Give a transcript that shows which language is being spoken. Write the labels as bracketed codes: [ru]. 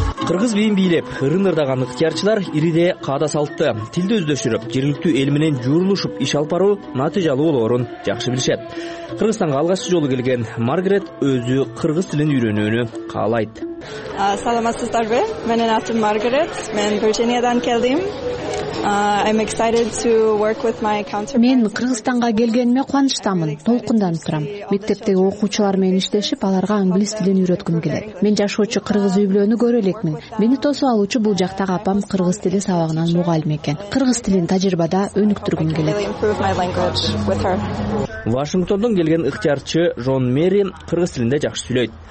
[ky] Кыргыз бийин бийлеп, ырын ырдаган ыктыярчылар ириде каада салтты. Тилди өздөшүрүп, жергиликтүү эл менен жуурулушуп иш алып баруу натыйжалуу болорун жакшы билишет. Кыргызстанга алгачкы жолу келген Маргарет өзү кыргыз тилин үйрөнүүнү каалайт. Саламатсыздарбы? Менин атым Маргарет. Мен Вирджиниядан келдим. [en] I'm excited to work with my counterpart. [ky] Мен Кыргызстанга келгениме кубанычтамын, толкунданып турам. Мектептеги окуучулар менен иштешип, аларга англис тилин үйрөткүм келет. Мен жашоочу кыргыз үйлөнү көрө элекмин. Мени тосуп алуучу бул жактагы апам кыргыз тили сабагынан мугалим экен. Кыргыз тилин тажрыйбада өнүктүргүм келет. Вашингтондон келген ыктыярчы Жон Мери кыргыз тилинде жакшы сүйлөйт.